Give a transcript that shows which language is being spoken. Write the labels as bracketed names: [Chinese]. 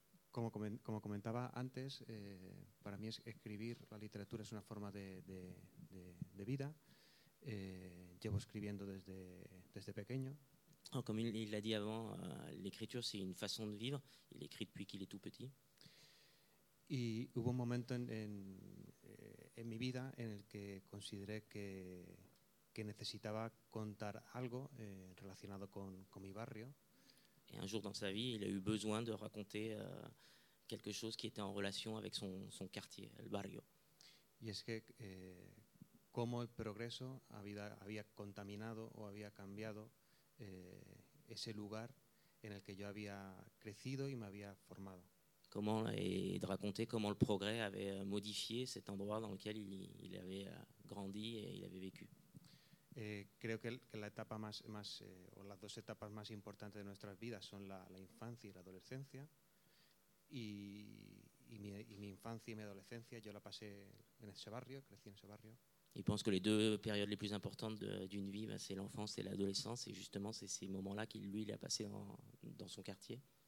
[Spanish] Como comentaba antes, para mí escribir la literatura es una forma de vida. Llevo escribiendo desde pequeño. [French] Comme il l'a dit avant, l'écriture c'est une façon de vivre. Il écrit depuis qu'il est tout petit. [Spanish] Y hubo un momento en mi vida en el que consideré que necesitaba contar algo relacionado con mi barrio. [French] Et un jour dans sa vie, il a eu besoin de raconter quelque chose qui était en relation avec son quartier, el barrio. [Spanish] Y es que cómo el progreso había contaminado o había cambiado ese lugar en el que yo había crecido y me había formado. ¿Cómo [French] de raconter [Spanish] cómo el progreso había modificado ese endroit en el que él había grandi y había vécu? Creo que la etapa más, o las dos etapas más importantes de nuestras vidas son la infancia y la adolescencia. Y mi infancia y mi adolescencia yo la pasé en ese barrio, crecí en ese barrio. [French] Il pense que les deux périodes les plus importantes d'une vie, c'est l'enfance et l'adolescence. Et justement, c'est ces moments-là qu'il, lui, il a passé dans son quartier.